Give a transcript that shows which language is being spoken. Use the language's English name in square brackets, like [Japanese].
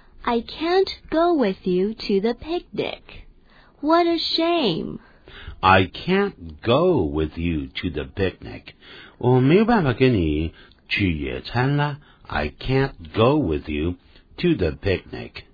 [English] I can't go with you to the picnic. What a shame! I can't go with you to the picnic. [Chinese] 我没有办法跟你去野餐了。 [English] I can't go with you to the picnic.